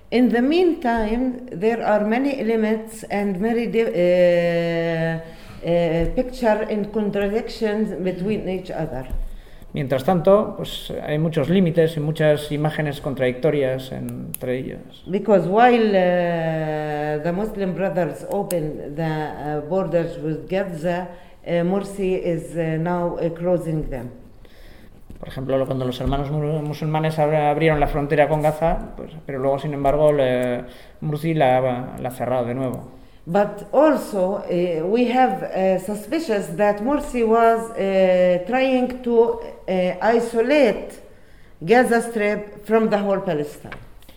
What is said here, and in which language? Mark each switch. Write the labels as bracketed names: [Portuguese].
[English] In the meantime, there are many elements and many picture and contradictions between each other. [Spanish] Mientras tanto, pues hay muchos límites y muchas imágenes contradictorias entre ellos. [English] Because while the Muslim Brothers open the borders with Gaza, Morsi is now closing them. [Spanish] Por ejemplo, cuando los hermanos musulmanes abrieron la frontera con Gaza, pues, pero luego, sin embargo, Morsi la ha cerrado de nuevo. [English] But also we have suspicions that Morsi was trying to isolate Gaza Strip from the whole Palestine.